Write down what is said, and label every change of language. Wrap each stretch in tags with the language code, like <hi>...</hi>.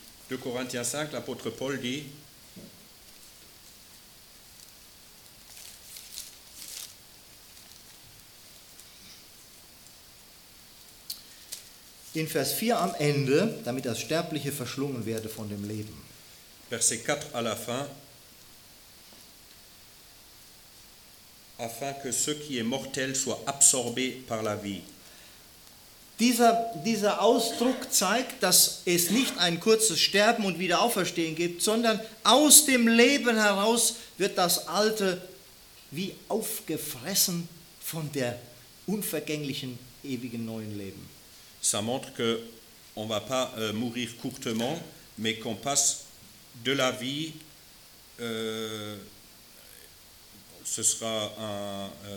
<fr>2 Corinthiens 5, l'apôtre Paul dit.</fr> <de>In Vers 4 am Ende, damit das Sterbliche verschlungen werde von dem Leben.</de> <fr>Verset 4 à la fin, afin que ce qui est mortel soit absorbé par la vie.</fr> <de>Dieser Ausdruck zeigt, dass es nicht ein kurzes Sterben und Wiederauferstehen gibt, sondern aus dem Leben heraus wird das Alte wie aufgefressen von der unvergänglichen, ewigen neuen Leben.</de> <fr>Ça montre que on va pas mourir courtement, mais qu'on passe de la vie, ce sera un...</fr>